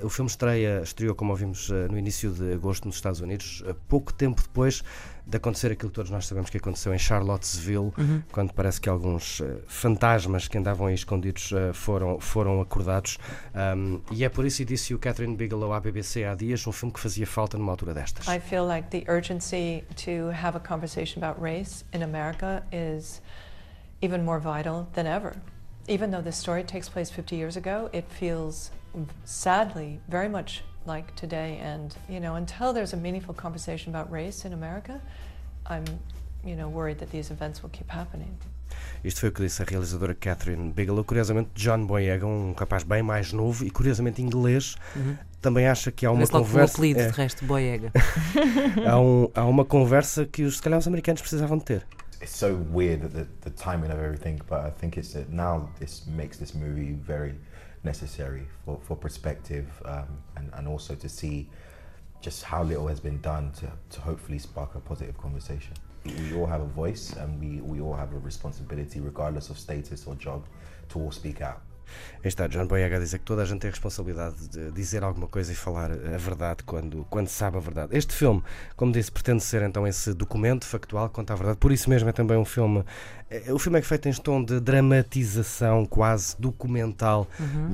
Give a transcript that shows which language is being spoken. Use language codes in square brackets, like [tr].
[pt] O filme estreou, como ouvimos, no início de agosto nos Estados Unidos, pouco tempo depois de acontecer aquilo que todos nós sabemos que aconteceu em Charlottesville, uhum. quando parece que alguns fantasmas que andavam aí escondidos foram acordados. E é por isso, e disse o Catherine Bigelow à BBC há dias, um filme que fazia falta numa altura destas. [en] I feel like the urgency to have a conversation about race in America is even more vital than ever. Even though this story takes place 50 years ago, it feels sadly very much like today. And, you know, until there's a meaningful conversation about race in America, I'm, you know, worried that these events will keep happening. [pt] Isto foi o que disse a realizadora Catherine Bigelow. Curiosamente, John Boyega, um rapaz bem mais novo e curiosamente inglês, uhum. também acha que há uma conversa... Mas logo apelido, de resto, Boyega. há uma conversa que se calhar os americanos precisavam de ter. [en] It's so weird that the timing of everything, but I think it's that now this makes this movie very necessary for perspective and also to see just how little has been done to hopefully spark a positive conversation. We all have a voice and we all have a responsibility, regardless of status or job, to all speak out. [pt] Aí está, John Boyega a dizer que toda a gente tem a responsabilidade de dizer alguma coisa e falar a verdade quando sabe a verdade. Este filme, como disse, pretende ser então esse documento factual que conta a verdade. Por isso mesmo é também um filme. O filme é feito em tom de dramatização quase documental, uhum.